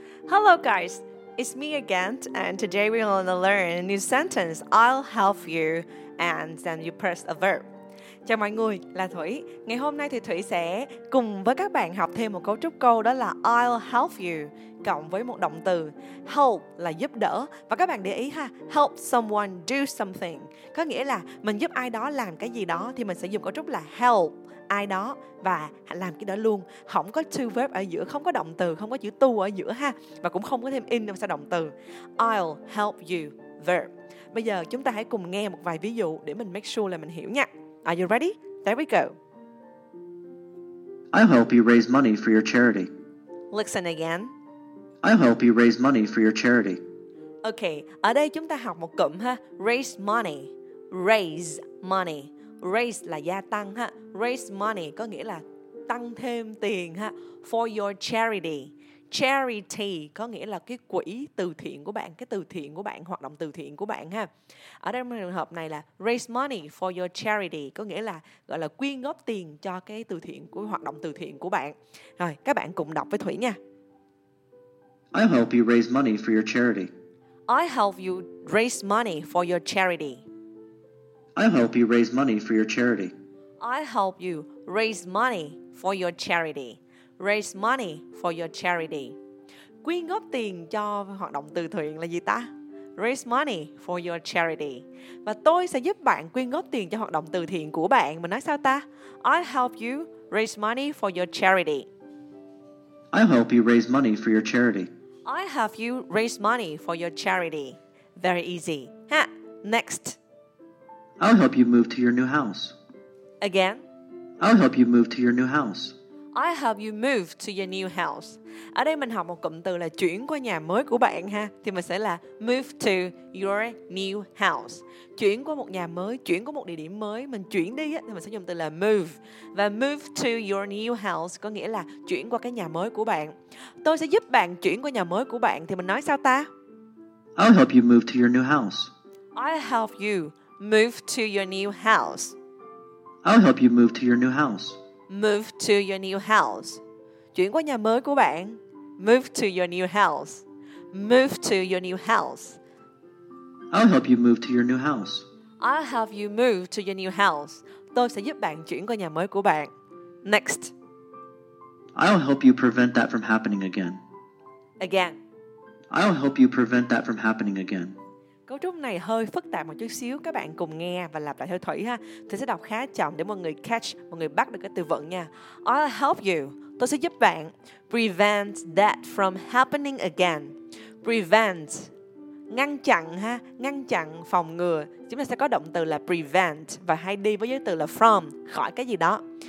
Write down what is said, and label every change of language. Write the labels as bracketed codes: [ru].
[en] Hello guys, it's me again, and today we're going to learn a new sentence, I'll help you, and then you press a verb. [vi] Chào mọi người, là Thủy. Ngày hôm nay thì Thủy sẽ cùng với các bạn học thêm một cấu trúc câu, đó là [en] I'll help you, [vi] cộng với một động từ. Help là giúp đỡ, và các bạn để ý ha, [en] help someone do something, [vi] có nghĩa là mình giúp ai đó làm cái gì đó, thì mình sẽ dùng cấu trúc là help ai đó và làm cái đó luôn, không có to verb ở giữa, không có động từ, không có chữ to ở giữa ha, và cũng không có thêm in sau động từ. [en] I'll help you, verb. [vi] Bây giờ chúng ta hãy cùng nghe một vài ví dụ để mình make sure là mình hiểu nha. [en] Are you ready? There we go. I'll help you raise money for your charity. Listen again. I'll help you raise money for your charity. [vi] Okay, ở đây chúng ta học một cụm ha, [en] raise money. Raise money. [vi] Raise là gia tăng ha. Raise money có nghĩa là tăng thêm tiền ha. [en] For your charity. [vi] Charity có nghĩa là cái quỹ từ thiện của bạn, cái từ thiện của bạn, hoạt động từ thiện của bạn ha. Ở đây trường hợp này là [en] raise money for your charity [vi] có nghĩa là gọi là quyên góp tiền cho cái từ thiện của hoạt động từ thiện của bạn. Rồi, các bạn cùng đọc với Thủy nha. [en] I help you raise money for your charity. I help you raise money for your charity. I help you raise money for your charity. I help you raise money for your charity. Raise money for your charity. [vi] Quyên góp tiền cho hoạt động từ thiện là gì ta? [en] Raise money for your charity. [vi] Và tôi sẽ giúp bạn quyên góp tiền cho hoạt động từ thiện của bạn. Mình nói sao ta? [en] I help you raise money for your charity. I help you raise money for your charity. I help you raise money for your charity. Very easy. Ha. Next. I'll help you move to your new house. Again? I'll help you move to your new house. I help you move to your new house. [vi] Ở đây mình học một cụm từ là chuyển qua nhà mới của bạn ha. Thì mình sẽ là [en] move to your new house. [vi] Chuyển qua một nhà mới, chuyển qua một địa điểm mới. Mình chuyển đi thì mình sẽ dùng từ là move. Và [en] move to your new house [vi] có nghĩa là chuyển qua cái nhà mới của bạn. Tôi sẽ giúp bạn chuyển qua nhà mới của bạn. Thì mình nói sao ta? [en] I'll help you move to your new house. I'll help you move to your new house. I'll help you move to your new house. Move to your new house. [vi] Chuyển qua nhà mới của bạn. [en] Move to your new house. Move to your new house. I'll help you move to your new house. I'll help you move to your new house. [vi] Tôi sẽ giúp bạn chuyển qua nhà mới của bạn. [en] Next. I'll help you prevent that from happening again. Again. I'll help you prevent that from happening again. [vi] Cấu trúc này hơi phức tạp một chút xíu, các bạn cùng nghe và lặp lại theo Thủy ha. Thủy sẽ đọc khá chậm để mọi người catch, mọi người bắt được cái từ vựng nha. [en] I'll help you. [vi] Tôi sẽ giúp bạn [en] prevent that from happening again. Prevent. [vi] Ngăn chặn ha, ngăn chặn, phòng ngừa. Chúng ta sẽ có động từ là prevent và hay đi với từ là from, khỏi cái gì đó.